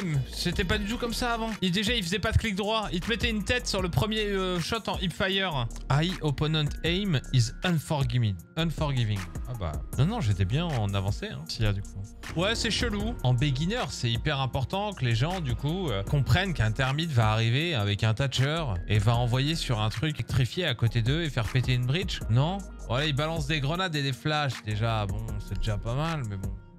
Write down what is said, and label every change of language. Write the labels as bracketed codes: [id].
[fr] C'était pas du tout comme ça avant. Et déjà, il faisait pas de clic droit. Il te mettait une tête sur le premier shot en hipfire. [en] High opponent aim is unforgiving. [fr] Ah bah... Non, j'étais bien en avancé, hein, s'il y a du coup. Ouais, c'est chelou. En beginner, c'est hyper important que les gens, du coup, comprennent qu'un thermite va arriver avec un Thatcher et va envoyer sur un truc électrifié à côté d'eux et faire péter une bridge. Non. Voilà, ils balancent des grenades et des flashs. Déjà, bon, c'est déjà pas mal, mais bon.